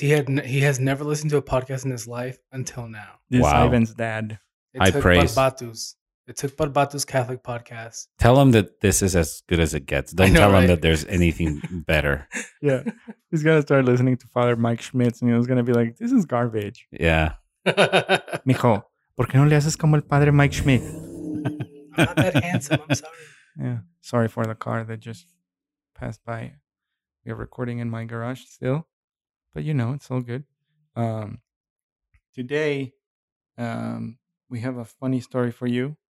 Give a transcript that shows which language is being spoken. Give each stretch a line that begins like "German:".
English: He has never listened to a podcast in his life until now. This wow. Ivan's dad. I praise. It took Barbatos Catholic Podcast. Tell him that this is as good as it gets. Don't tell him that there's anything better. Yeah. He's going to start listening to Father Mike Schmitz, and he's going to be like, this is garbage. Yeah.
Spanish: Mijo, ¿por qué no le haces como el Padre Mike Schmitz?
English: I'm not that handsome. I'm sorry. Yeah. Sorry for the car that just passed by. We are recording in my garage still, but you know, it's all good. Today, we have a funny story for you.